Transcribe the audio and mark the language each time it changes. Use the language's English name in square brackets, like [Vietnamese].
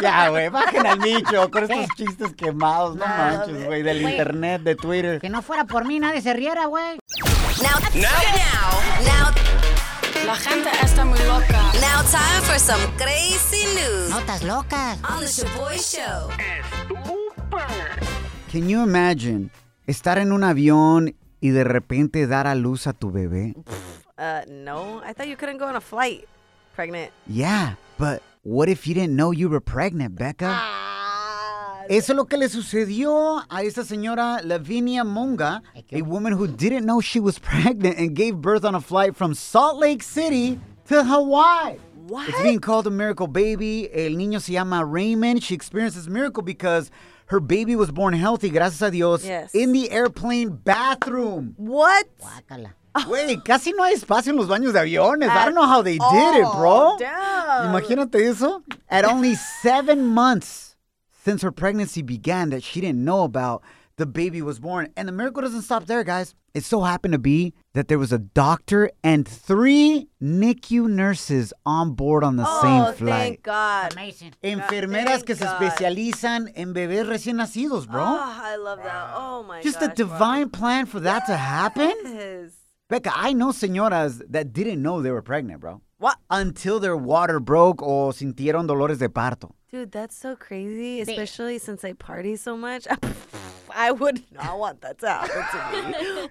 [Spanish] Ya, güey, bajen al nicho con estos chistes quemados. No manches, güey, del internet, de Twitter. Que no fuera por mí, nadie se riera, güey. [English] Now. [Spanish] La gente está muy loca. [English] Now time for some crazy news. [Spanish] Notas locas. [English] On the Shaboy Show. Can you imagine [Spanish] estar en un avión y de repente dar a luz a tu bebé? No. [English] I thought you couldn't go on a flight pregnant. Yeah, but what if you didn't know you were pregnant, Becca? [Spanish] Eso es lo que le sucedió a esta señora [English] Lavinia Monga, a woman who didn't know she was pregnant and gave birth on a flight from Salt Lake City to Hawaii. What? It's being called a miracle baby. [Spanish] El niño se llama Raymond. [English] She experienced this miracle because her baby was born healthy, [Spanish] gracias a Dios, [English] in the airplane bathroom. What? [Spanish] Guácala. Wey, casi no hay espacio en los baños de aviones. [English] I don't know how they did it, bro. Damn. [Spanish] Imagínate eso. [English] At only 7 months since her pregnancy began that she didn't know about, the baby was born. And the miracle doesn't stop there, guys. It so happened to be that there was a doctor and 3 NICU nurses on board on the same flight. Oh, thank God. Amazing. [Spanish] Enfermeras que se especializan en bebés recién nacidos, bro. [English] Oh, I love that. Oh, my God. Just a divine plan for that to happen? Becca, I know señoras that didn't know they were pregnant, bro. What? Until their water broke [Spanish] o sintieron dolores de parto. [English] Dude, that's so crazy, especially since I party so much. I would not want that to happen to me.